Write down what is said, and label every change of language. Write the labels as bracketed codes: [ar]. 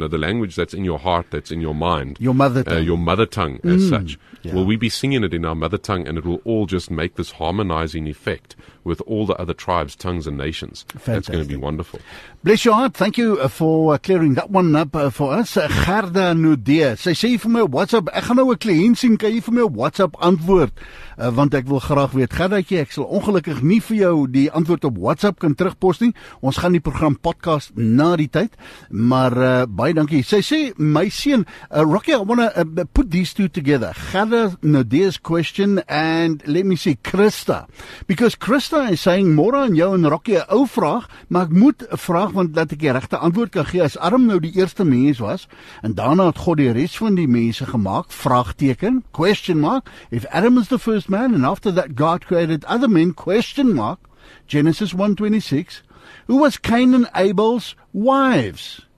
[en] You know, the language that's in your heart, that's in your mind. Your mother tongue. Your mother tongue as such. Yeah. Will we be singing it in our mother tongue, and it will all just make this harmonizing effect with all the other tribes, tongues, and nations? Fantastic. That's going to be wonderful. Bless your heart. Thank you for clearing that one up for us. [af] Gerda Nudea. Sê vir my WhatsApp. Ek gaan nou 'n kliënt sien. Kan jy vir my WhatsApp antwoord? Want ek wil graag weet. Gerdaatjie, ek sal ongelukkig nie vir jou die antwoord op WhatsApp kan terugpost nie. Ons gaan die program podcast na die tyd, maar baie dankie. [en] Sy sê, my seun, Rocky, I want to put these two together. Gerda Nadea's question and let me see, Christa. [af] Because Christa is saying, more aan jou en Rocky, a ou vraag, maar ek moet vraag, want dat ek die regte antwoord kan gee. As Adam nou die eerste mens was, en daarna het God die rest van die mense gemaakt, vraagteken, question mark, if Adam is the first man, and after that God created other men, question mark, Genesis 1:26, who was Cain and Abel's wives?